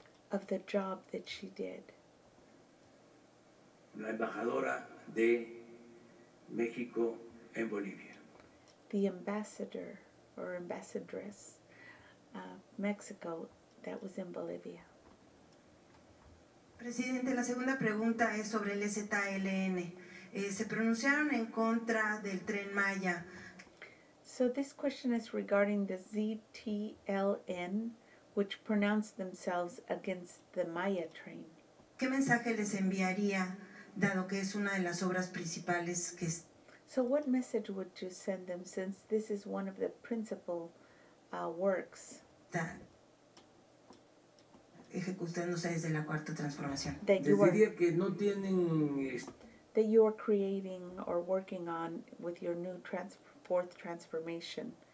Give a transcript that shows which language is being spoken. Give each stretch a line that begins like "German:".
English: of the job that she did.
Spanish: La embajadora de México en Bolivia.
English: The ambassador or ambassadress of Mexico that was in Bolivia.
Spanish: Presidente, la segunda pregunta es sobre el EZLN. Se pronunciaron en contra del Tren Maya.
English: So this question is regarding the ZTLN, which pronounced themselves against the Maya train.
Spanish: ¿Qué mensaje les enviaría, dado que es una de las obras principales que es?
English: So what message would you send them, since this is one of the principal works
Spanish: ejecutándose desde la cuarta transformación?
English: That you are creating or working on with your new fourth transformation.